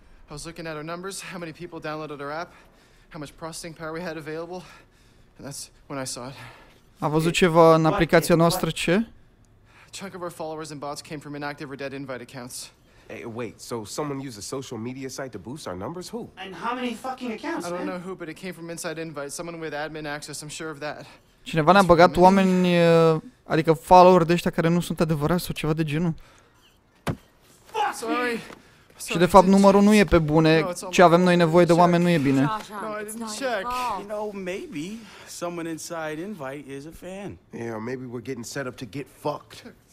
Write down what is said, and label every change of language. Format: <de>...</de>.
<en>I was looking at our numbers, how many people downloaded our app, how much processing power we had available, and that's when I saw it.</en> <ro>A văzut ceva în aplicația noastră, ce?</ro> <en>Chunk of our followers and bots came from inactive or dead invite accounts. Hey, wait, so someone used a social media site to boost our numbers? Who? And how many fucking accounts, man? I don't know who, but it came from inside invite. Someone with admin access, I'm sure of that.</en> <ro>Cineva ne-a băgat oameni, adică follower de ăștia care nu sunt adevărați sau ceva de genul.</ro> <en>Sorry.</en> <ro>Și de fapt numărul nu e pe bune, ce avem noi nevoie de oameni nu e bine.</ro> <en>No, I didn't check. You know, maybe someone inside invite is a fan. Yeah, maybe we're getting set up to get fucked.</en>